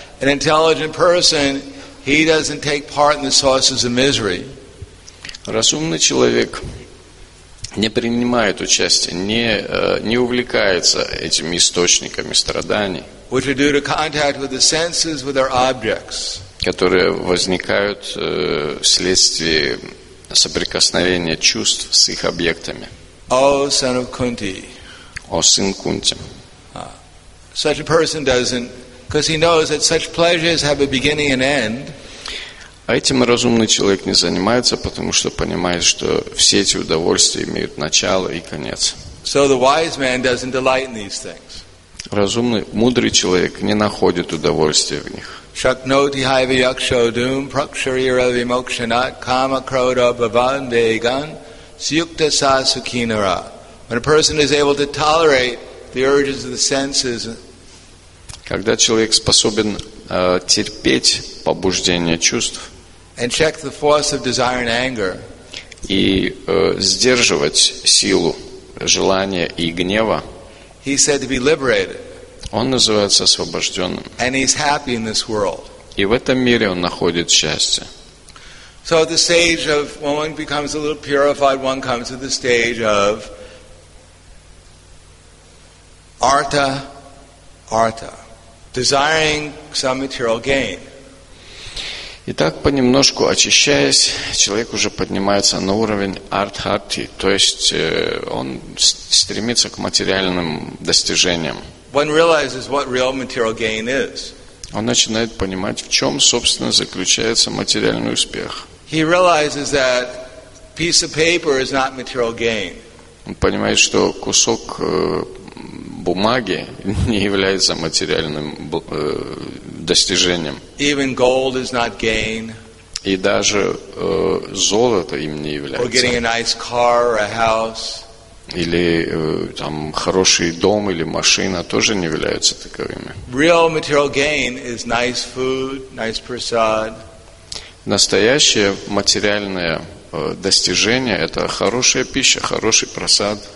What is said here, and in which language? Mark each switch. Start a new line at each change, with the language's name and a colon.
English: An intelligent person, he doesn't take part in the sources of misery.
Russian: Разумный человек не принимает участия, не увлекается этими источниками страданий,
English: which are due to contact with the senses, with our objects,
Russian: которые возникают вследствие соприкосновения чувств с их объектами.
English: O son of Kunti.
Russian: О, сын Кунти.
English: Such a person doesn't, because he knows that such pleasures have a beginning and end.
Russian: А этим разумный человек не занимается, потому что понимает, что все эти удовольствия имеют начало и конец.
English: So the wise man doesn't delight in these things.
Russian: Разумный, мудрый человек не находит удовольствия в них.
Sanskrit: Шакноти хайва якшо дум пракшарира вимокшанат кама крода баван деган сьюкта са сукинара.
English: When a person is able to tolerate the urges of the senses,
Russian: когда человек способен терпеть побуждение чувств,
English: and check the force of desire and anger,
Russian: и сдерживать силу желания и гнева,
English: he said to be liberated.
Russian: Он называется освобожденным.
English: And he's happy in this world.
Russian: И в этом мире он находит счастье.
English: So at the stage of when one becomes a little purified, one comes to the stage of artha, artha, desiring some material gain.
Russian: Итак, понемножку очищаясь, человек уже поднимается на уровень артхарти, то есть он стремится к материальным достижениям.
English: One realizes what real material gain is.
Russian: Он начинает понимать, в чем, собственно, заключается материальный успех.
English: He realizes that piece of paper is not material gain.
Russian: Он понимает, что кусок бумаги не является материальным достижением.
English: Even gold is not gain.
Russian: И даже золото им не является.
English: Or getting a nice car or a house.
Russian: Или там хороший дом или машина тоже не являются таковыми.
English: Real material gain is nice food, nice prasad.
Russian: Настоящее материальное достижение – это хорошая пища, хороший просад.